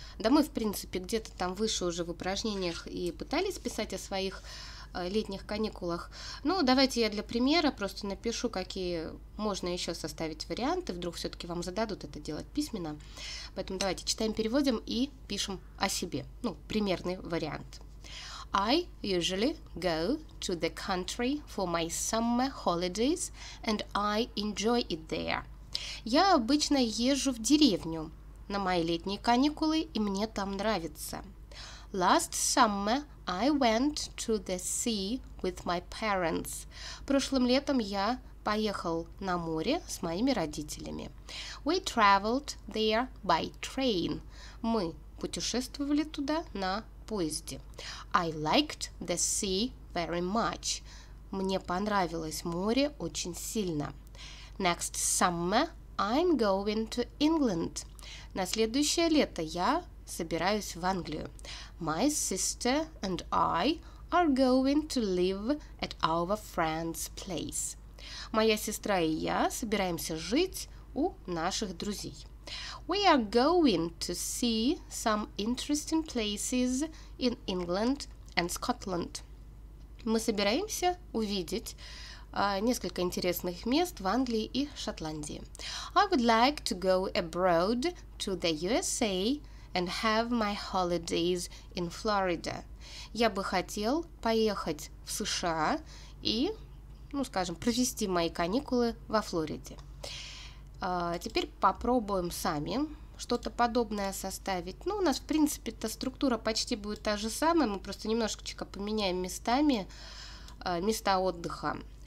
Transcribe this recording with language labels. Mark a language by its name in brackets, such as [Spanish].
[Russian] Да мы, в принципе, где-то там выше уже в упражнениях и пытались писать о своих летних каникулах. Ну, давайте я для примера просто напишу, какие можно еще составить варианты. Вдруг все-таки вам зададут это делать письменно. Поэтому давайте читаем, переводим и пишем о себе. Ну, примерный вариант. [English] I usually go to the country for my summer holidays, and I enjoy it there. [Russian] Я обычно езжу в деревню на мои летние каникулы, и мне там нравится. [English] Last summer I went to the sea with my parents. [Russian] Прошлым летом я поехал на море с моими родителями. [English] We traveled there by train. [Russian] Мы путешествовали туда на поезде. [English] I liked the sea very much. [Russian] Мне понравилось море очень сильно. [English] Next summer I'm going to England. [Russian] На следующее лето я собираюсь в Англию. [English] My sister and I are going to live at our friend's place. [Russian] Моя сестра и я собираемся жить у наших друзей. [English] We are going to see some interesting places in England and Scotland. [Russian] Мы собираемся увидеть несколько интересных мест в Англии и Шотландии. [English] I would like to go abroad to the USA and have my holidays in Florida. [Russian] Я бы хотел поехать в США и, ну, скажем, провести мои каникулы во Флориде. Теперь попробуем сами что-то подобное составить. Ну, у нас, в принципе, эта структура почти будет та же самая, мы просто немножечко поменяем местами места отдыха.